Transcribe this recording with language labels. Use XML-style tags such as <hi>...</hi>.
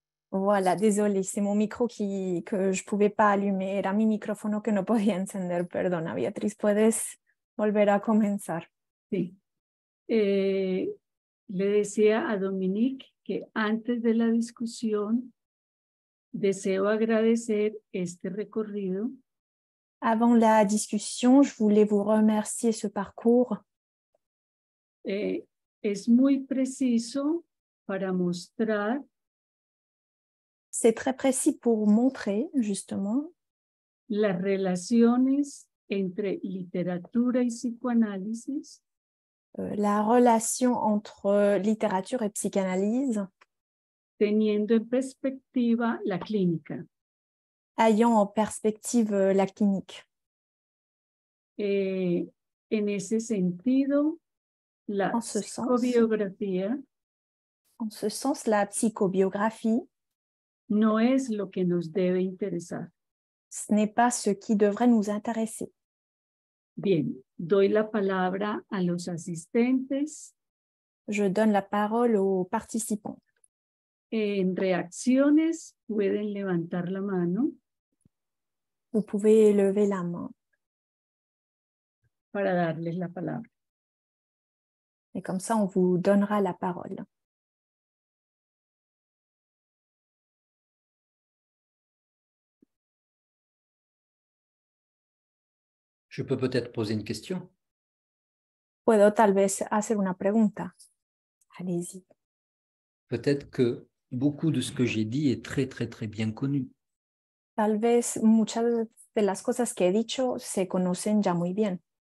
<fr>Voilà, désolé, c'est mon micro que je ne pouvais pas allumer.</fr> <es>Era mi micrófono que no podía encender. Perdona, Beatriz, puedes volver a comenzar. Sí. Le decía a Dominique que antes de la discusión deseo agradecer este recorrido.</es> <fr>Avant la discussion, je voulais vous remercier ce parcours.</fr> <es>Es muy preciso para mostrar.</es> <fr>C'est très précis pour montrer, justement,</fr> <es>las relaciones entre literatura y psicoanálisis,</es> <fr>la relation entre littérature et psychanalyse,</fr> <es>teniendo en perspectiva la clínica,</es> <fr>ayant en perspective la clinique.</fr> <es>Et en ese sentido, la</es> <fr>en ce psychobiographie, la psychobiographie,</fr> <es>no es lo que nos debe interesar.</es> <fr>Ce n'est pas ce qui devrait nous intéresser.</fr> <es>Bien, doy la palabra a los asistentes.</es> <fr>Je donne la parole aux participants.</fr> <es>En reacciones pueden levantar la mano.</es> <fr>Vous pouvez lever la main.</fr> <es>Para darles la palabra.</es> <fr>Et comme ça, on vous donnera la parole. Je peux peut-être poser une question.</fr> <es>Puedo tal vez hacer una pregunta.</es> <fr>Allez-y. Peut-être que beaucoup de ce que j'ai dit est très très très bien connu.</fr> <es>Tal vez muchas de las cosas que he dicho se conocen ya muy bien.</es>